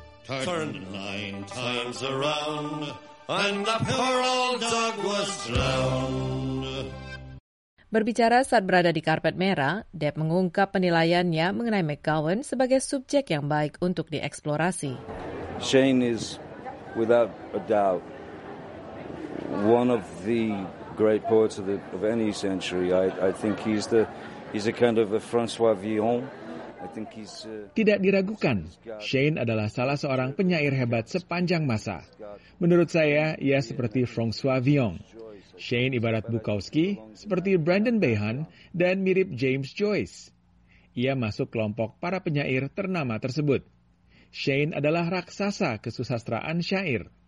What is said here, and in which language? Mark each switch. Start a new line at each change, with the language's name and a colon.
English: Turned nine times around, and the poor old dog was drowned.
Indonesian: Berbicara saat berada di karpet merah, Depp mengungkap penilaiannya mengenai McGowan sebagai subjek yang baik untuk dieksplorasi.
English: Shane is, without a doubt, one of the great poets of any century. I think he's a kind of a François Villon.
Indonesian: Tidak diragukan, Shane adalah salah seorang penyair hebat sepanjang masa. Menurut saya, ia seperti François Villon. Shane ibarat Bukowski, seperti Brandon Behan, dan mirip James Joyce. Ia masuk kelompok para penyair ternama tersebut. Shane adalah raksasa kesusastraan syair.